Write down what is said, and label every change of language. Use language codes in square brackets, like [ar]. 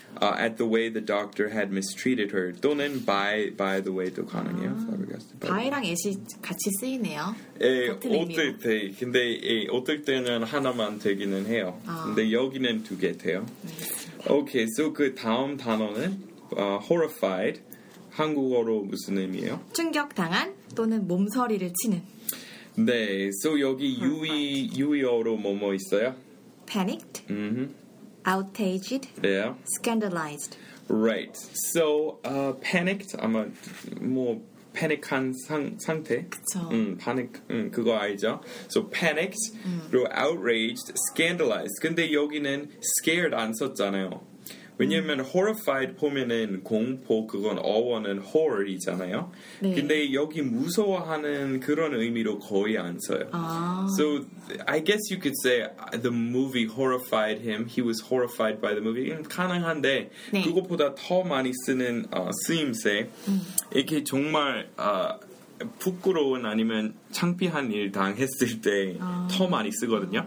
[en] At the way the doctor had mistreated her. [ko] 또는 by the way도 가능해요. 아, by랑 애시 같이 쓰이네요. 에, 어떨 의미로. 때. 근데 에, 어떨 때는 하나만 되기는 해요. 아. 근데 여기는 두 개 돼요. 네. Okay, so 그 다음 단어는 horrified. 한국어로 무슨 의미예요? 충격당한 또는 몸서리를 치는. 네, so 여기 유의어로 뭐뭐 있어요? [en] Panicked. Mm-hmm. Outaged, yeah. Scandalized. Right. So, panicked. [ko] 아마 뭐 패닉한 상태. 그쵸. 패닉. 그거 알죠? So panicked. 그리고 outraged, scandalized. 근데 여기는 scared 안 썼잖아요. 왜냐면 horrified 보면은 공포, 그건 어원은 horror이잖아요. 네. 근데 여기 무서워하는 그런 의미로 거의 안 써요. 아. [en] So I guess you could say the movie horrified him. He was horrified by the movie. 가능한데 [ko] 네. 그것보다 더 많이 쓰는 쓰임새 이게 정말 부끄러운 아니면 창피한 일 당했을 때 더 많이 쓰거든요.